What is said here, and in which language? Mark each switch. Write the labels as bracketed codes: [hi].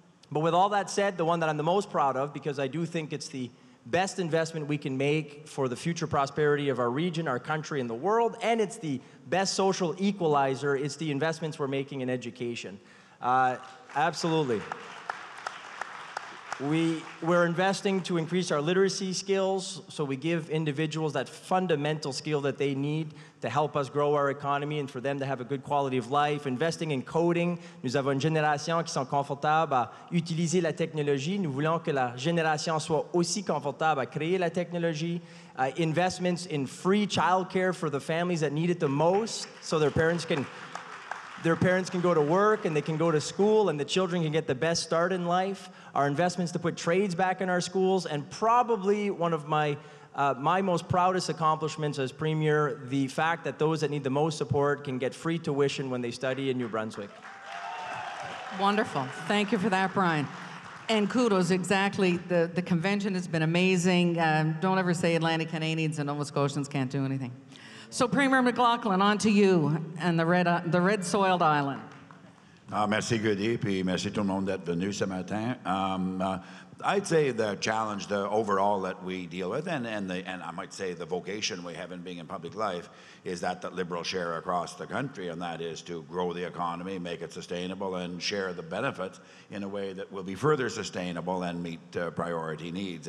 [en] But with all that said, the one that I'm the most proud of, because I do think it's the best investment we can make for the future prosperity of our region, our country, and the world, and it's the best social equalizer, it's the investments we're making in education. Absolutely. We're investing to increase our literacy skills, so we give individuals that fundamental skill that they need to help us grow our economy and for them to have a good quality of life. Investing in coding. [fr] Nous avons une génération qui sont confortables à utiliser la technologie. Nous voulons que la génération soit aussi confortable à créer la technologie. [en] Investments in free childcare for the families that need it the most, so their parents can go to work and they can go to school and the children can get the best start in life. Our investments to put trades back in our schools, and probably one of my most proudest accomplishments as Premier, the fact that those that need the most support can get free tuition when they study in New Brunswick. Wonderful. Thank you for that, Brian. And kudos, exactly. The convention has been amazing. Don't ever say Atlantic Canadians and Nova Scotians can't do anything. So, Premier McLauchlan, on to you and the red soiled island. [fr] Merci, Gudie, puis merci tout le monde d'être venu ce matin. [en] I'd say the challenge, the overall that we deal with, and I might say the vocation we have in being in public life, is that Liberals share across the country, and that is to grow the economy, make it sustainable, and share the benefits in a way that will be further sustainable and meet priority needs.